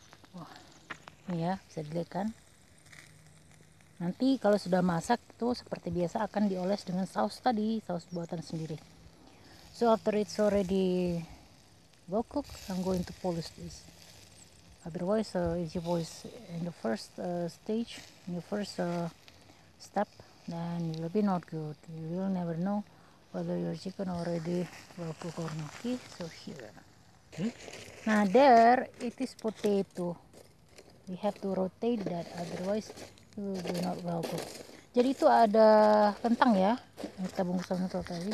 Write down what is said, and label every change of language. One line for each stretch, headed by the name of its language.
Indonesian: Wah, ini ya, bisa dilihat kan? Nanti kalau sudah masak itu seperti biasa akan dioles dengan saus tadi, saus buatan sendiri.
English: So after it's already well cooked, I'm going to polish this. Otherwise, if you polish in the first stage, in the first step, then it will be not good. You will never know whether your chicken already well cooked or not. Okay, so here. Now there, it is potato. We have to rotate that, otherwise it will be not well cooked.
Indonesian: Jadi itu ada kentang ya, yang kita bungkus sama tadi.